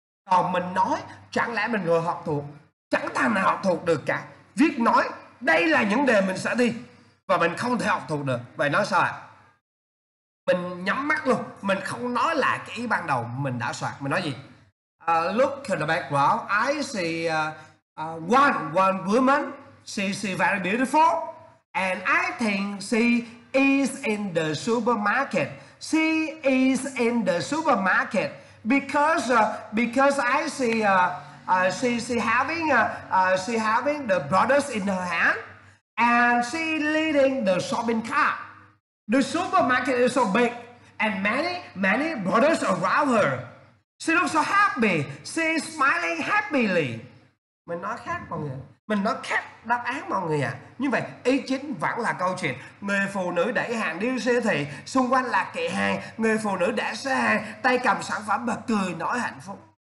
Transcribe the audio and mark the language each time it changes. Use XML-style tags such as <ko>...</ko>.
<vi>Còn mình nói chẳng lẽ mình người học thuộc, chẳng thằng nào học thuộc được cả. Viết nói đây là những đề mình sẽ đi và mình không thể học thuộc được. Vậy nói sao ạ? Mình nhắm mắt luôn, mình không nói lại cái ý ban đầu mình đã soạn. Mình nói gì?</vi> <en>Look in the background, I see one woman. She very beautiful. And I think she is in the supermarket. She is in the supermarket because I see she having the products in her hand, and she leading the shopping cart. The supermarket is so big, and many brothers around her. She looks so happy. She is smiling happily.</en> <vi>Mình nói khác mọi người. Mình nói khác đáp án mọi người ạ. Như vậy, ý chính vẫn là câu chuyện. Người phụ nữ đẩy hàng đi siêu thị, xung quanh là kệ hàng. Người phụ nữ đẩy xe hàng, tay cầm sản phẩm và cười nói hạnh phúc.</vi>